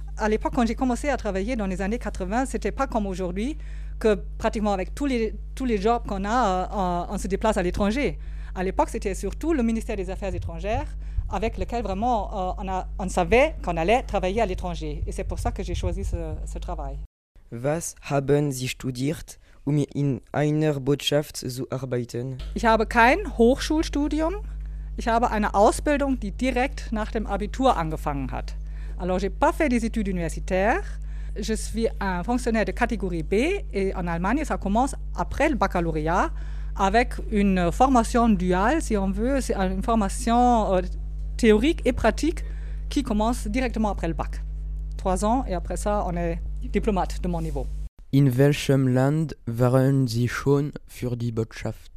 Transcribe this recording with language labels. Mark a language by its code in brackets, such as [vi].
[fr] À l'époque, quand j'ai commencé à travailler dans les années 80, c'était pas comme aujourd'hui que pratiquement avec tous les jobs qu'on a, on se déplace à l'étranger. À l'époque, c'était surtout le ministère des Affaires étrangères avec lequel vraiment on savait qu'on allait travailler à l'étranger. Et c'est pour ça que j'ai choisi ce travail. [de] Was haben Sie studiert, in einer Botschaft zu arbeiten? Ich habe kein Hochschulstudium. Ich habe eine Ausbildung, die direkt nach dem Abitur angefangen hat. [fr] Alors, je n'ai pas fait des études universitaires. Je suis un fonctionnaire de catégorie B. Et en Allemagne, ça commence après le baccalauréat, avec une formation duale, si on veut. C'est une formation théorique et pratique qui commence directement après le bac. 3 ans, et après ça, on est... Diplomate de mon niveau. [de] In welchem Land waren Sie schon für die Botschaft?